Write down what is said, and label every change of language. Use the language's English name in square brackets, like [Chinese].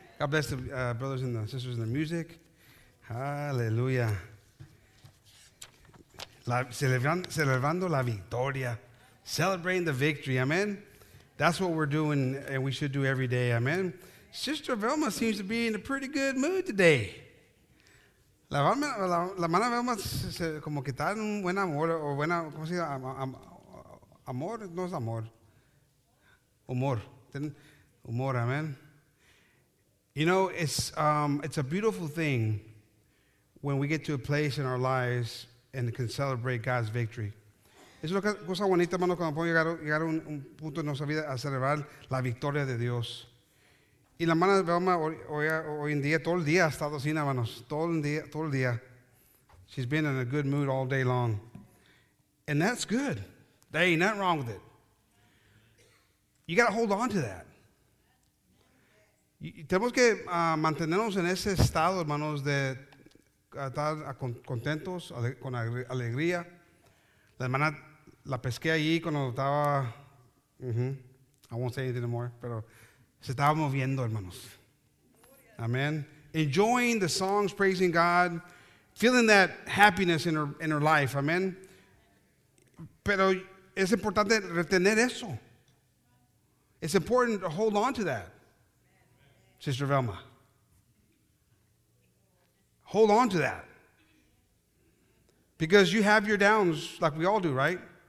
[English] God bless the brothers and the sisters in the music. Hallelujah. [Spanish] Celebrando la victoria. [English] Celebrating the victory, amen. That's what we're doing and we should do every day, amen. Sister Velma seems to be in a pretty good mood today. [Spanish] La mano Velma como que está en un buen amor, o buena, ¿cómo se llama? Amor, no es amor. Humor. Humor, amen. [English] You know, it's a beautiful thing when we get to a place in our lives and can celebrate God's victory. [Spanish] Es una cosa bonita, hermano, cuando podemos llegar a un punto en nuestra vida a celebrar la victoria de Dios. Y la hermana Velma hoy en día, todo el día ha estado así, hermanos. Todo el día. [English] She's been in a good mood all day long. And that's good. There ain't nothing wrong with it. You got to hold on to that. [Spanish] Tenemos que mantenernos en ese estado, hermanos, de estar contentos, con alegría. La hermana la pesqué allí cuando estaba, [English] I won't say anything more, [Spanish] pero se estaba moviendo, hermanos. [English] Amen. Enjoying the songs, praising God, feeling that happiness in her life, amen. [Spanish] Pero es importante retener eso. [English] It's important to hold on to that. Sister Velma, hold on to that, because you have your downs like we all do, right?